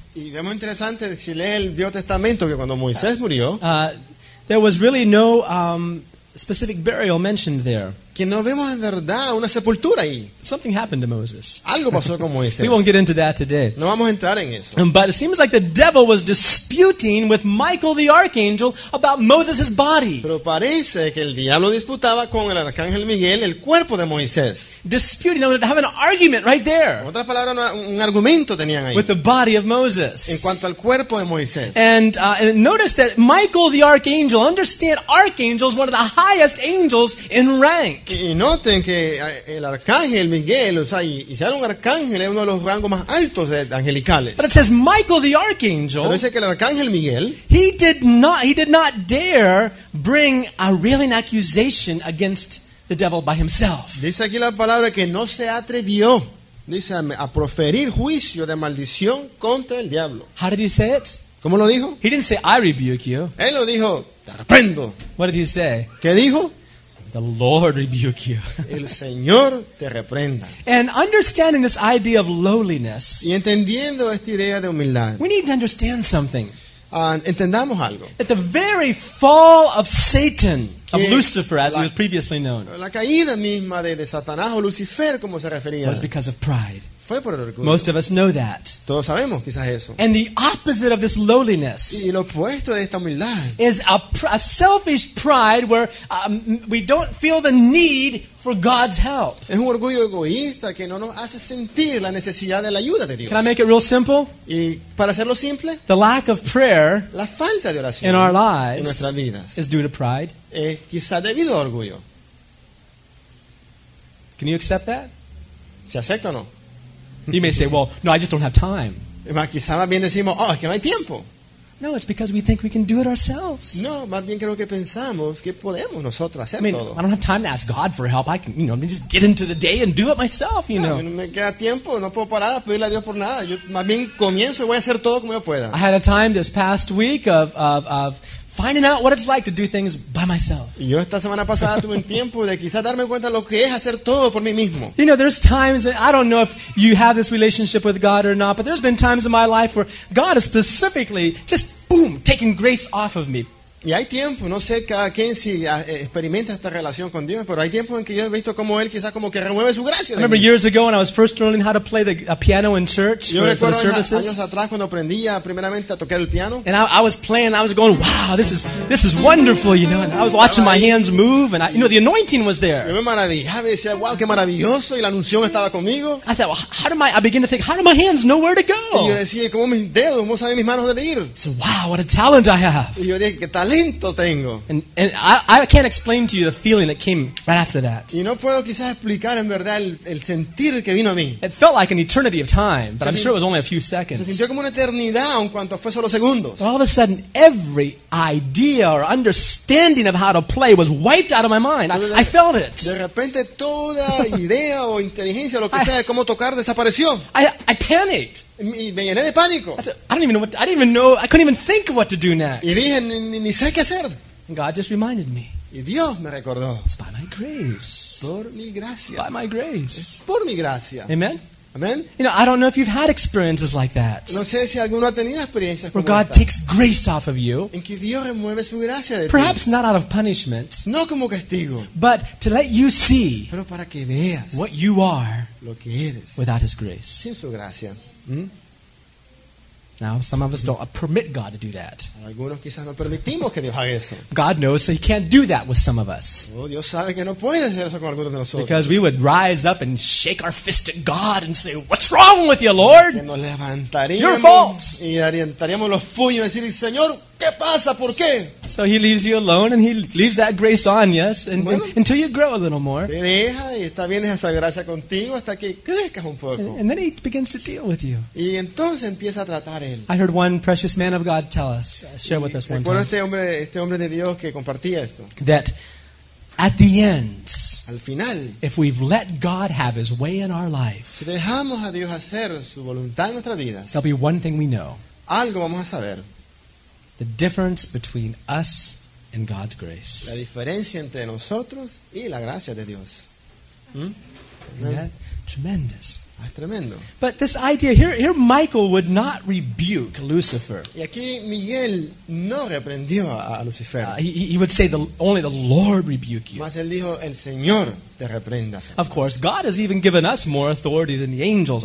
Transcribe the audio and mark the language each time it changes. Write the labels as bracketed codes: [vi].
[es] y vemos interesante si lee el Viejo Testamento que cuando Moisés murió, [en] there was really no specific burial mentioned there. [es] Que no vemos en verdad una sepultura ahí. [en] Something happened to Moses. [es] Algo pasó con Moisés. [en] We won't get into that today. [es] No vamos a entrar en eso. [en] But it seems like the devil was disputing with Michael the archangel about Moses' body. [es] Pero parece que el diablo disputaba con el arcángel Miguel el cuerpo de Moisés. [en] Disputing, they would have an argument right there. [es] Otra palabra, un argumento tenían ahí. [en] With the body of Moses. [es] En cuanto al cuerpo de Moisés. [en] And notice that Michael the archangel, understand, archangel is one of the highest angels in rank. [es] Y noten que el arcángel Miguel, o sea, y sea un arcángel, es uno de los rangos más altos de angelicales. [en] But it says Michael the archangel. [es] Pero dice que el arcángel Miguel. [en] He did not dare bring a railing accusation against the devil by himself. [es] Dice aquí la palabra que no se atrevió, dice, a proferir juicio de maldición contra el diablo. [en] How did he say it? [es] ¿Cómo lo dijo? [en] He didn't say I rebuke you. [es] Él lo dijo, te arrependo. [en] What did he say? [es] ¿Qué dijo? [en] The Lord rebuke you. [es] El Señor te reprenda. [en] And understanding this idea of lowliness. [es] Y entendiendo esta idea de humildad. [en] We need to understand something. [es] Entendamos algo. [en] At the very fall of Satan, of Lucifer, as he was previously known. [es] La caída misma de Satanás o Lucifer, como se refería. [en] Was because of pride. [es] Fue por el orgullo. [en] Most of us know that. [es] Todos sabemos, quizás eso. [en] And the opposite of this lowliness [es] y lo opuesto de esta humildad [en] is a selfish pride where we don't feel the need for God's help. [es] Es un orgullo egoísta que no nos hace sentir la necesidad de la ayuda de Dios. [en] Can I make it real simple? [es] Y para hacerlo simple, [en] the lack of prayer, [es] la falta de oración [en] in our lives, [es] en nuestras vidas, [en] is due to pride. [es] Es quizás debido al orgullo. [en] Can you accept that? [es] ¿Se acepta o no? [en] You may say, well, no, I just don't have time. [es] Quizás más bien decimos, oh, es que no hay tiempo. [en] No, it's because we think we can do it ourselves. [es] No, más bien creo que pensamos que podemos nosotros hacer todo. [en] I don't have time to ask God for help. I can, you know, just get into the day and do it myself, you know. [es] No me queda tiempo. No puedo parar a pedirle a Dios por nada. Yo más bien comienzo y voy a hacer todo como yo pueda. [en] I had a time this past week of finding out what it's like to do things by myself. [es] Yo esta semana pasada tuve un tiempo de quizás darme cuenta lo que es hacer todo por mí mismo. [en] You know, there's times, I don't know if you have this relationship with God or not, but there's been times in my life where God has specifically just, boom, taken grace off of me. [es] Y hay tiempo, no sé cada quien si experimenta esta relación con Dios, pero hay tiempo en que yo he visto como Él quizás como que remueve su gracia. [en] I remember years ago when I was first learning how to play a piano in church for the services. [es] Yo recuerdo años atrás cuando aprendí primeramente a tocar el piano. [en] And I was playing, I was going, wow, this is wonderful, you know. And I was watching my hands move, and I, you know, the anointing was there. [es] Yo me maravillaba y decía, wow, qué maravilloso, y la unción estaba conmigo. [en] I thought, well, I begin to think, how do my hands know where to go? [es] Y yo decía, ¿cómo mis dedos? ¿Cómo saben mis manos dónde ir? [en] So, wow, what a talent I have. [es] Y yo dije, qué talento. [en] And I can't explain to you the feeling that came right after that. [es] Y no puedo quizás explicar en verdad el sentir que vino a mí. [en] It felt like an eternity of time, but I'm sure it was only a few seconds. [es] Se sintió como una eternidad, aun cuanto fue solo segundos. [en] But all of a sudden, every idea or understanding of how to play was wiped out of my mind. I felt it. [es] De repente, toda idea o inteligencia, lo que sea, de cómo tocar, desapareció. [en] I panicked. [es] Me llené de pánico. [en] I couldn't even think of what to do next. [es] Y dije, ni sé qué hacer. [en] And God just reminded me. [es] Y Dios me recordó. [en] It's by my grace. [es] Por mi gracia. [en] By my grace. [es] Por mi gracia. [en] Amen. [es] Amen. [en] You know, I don't know if you've had experiences like that. [es] No sé si alguno ha tenido experiencias [en] where God takes grace off of you. [es] En que Dios remueve su gracia de [en] perhaps [es] ti. [en] Not out of punishment. [es] No como castigo. [en] But to let you see. [es] Pero para que veas. [en] What you are. [es] Lo que eres. [en] Without His grace. [es] Sin su gracia. [en] Now, some of us don't permit God to do that. [es] Algunos quizás no permitimos que Dios haga eso. [en] God knows, so He can't do that with some of us. [es] Dios sabe que no puede hacer eso con algunos de nosotros. [en] Because we would rise up and shake our fist at God and say, "What's wrong with you, Lord? [es] Que nos levantaríamos [en] your fault." [es] Y orientaríamos los puños y decir, "Señor, ¿qué pasa? ¿Por qué?" [en] So He leaves you alone and He leaves that grace on, yes, and, bueno, and until you grow a little more. [es] Te deja y está bien esa gracia contigo hasta que crezcas un poco. [en] And then He begins to deal with you. [es] Y entonces empieza a tratar él. [en] I heard one precious man of God tell us, share with us one time. [es] Este hombre de Dios que compartía esto. [en] That at the end, [es] al final, [en] if we've let God have His way in our life, [es] si dejamos a Dios hacer su voluntad en nuestras vidas, [en] there'll be one thing we know. [es] Algo vamos a saber. [en] The difference between us and God's grace. [es] La diferencia entre nosotros y la gracia de Dios. [en] Tremendous. [es] Es tremendo. [en] But this idea here, Michael would not rebuke Lucifer. [es] Y aquí Miguel no reprendió a Lucifer. [en] He would say only the Lord rebuke you. [es] Mas él dijo el Señor te reprenda. [en] Of course, God has even given us more authority than the angels.